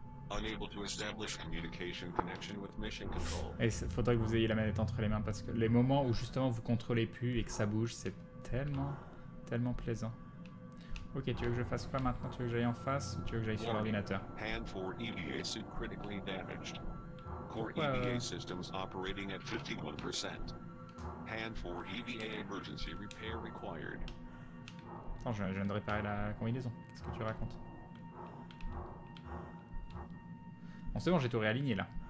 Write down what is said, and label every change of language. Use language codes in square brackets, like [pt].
[en] Unable to establish communication connection with mission control. [fr] Et faudrait que vous ayez la manette entre les mains parce que les moments où justement vous contrôlez plus et que ça bouge, c'est tellement, tellement plaisant. Ok, tu veux que je fasse quoi maintenant? Tu veux que j'aille en face ou tu veux que j'aille sur l'ordinateur? [en] Hand for EVA suit critically damaged. Core EVA systems operating at 51%. Hand for EVA emergency repair required. [fr] Attends, je viens de réparer la combinaison. Qu'est-ce que tu racontes? Bon, c'est bon, j'ai tout réaligné là.